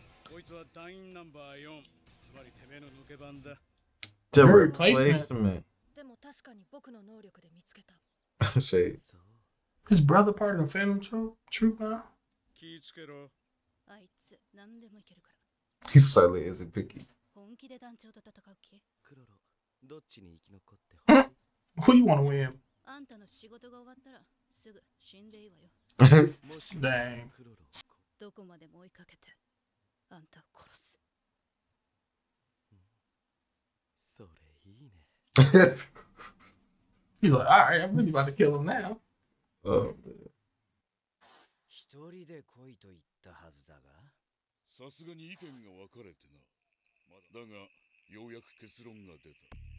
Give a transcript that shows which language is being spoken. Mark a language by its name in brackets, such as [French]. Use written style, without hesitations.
[Japanese] こいつは団員ナンバー4。つまりてめえの抜け番だ。 [English] The replacement. [Japanese] でも確かに僕の能力で見つけた。 [English] His brother part of the Phantom Troop now? [Japanese] 気ぃつけろ。あいつ、何でもいけるから。 [English] He slightly is a picky. [Japanese] 本気で団長と戦う気？クロロ、どっちに生き残って。 [English] Who you wanna win? [Japanese] あんたの仕事が終わったら、すぐ死んでいいわよ。 [English] Dang. [Japanese] どこまでも追いかけて、あんたを殺す。それいいね。 [English] He's like, all right, I'm really about to kill him now. Oh, man. [Japanese] 一人で来いと言ったはずだが。さすがに意見が分かれてな。まだだが、ようやく結論が出た。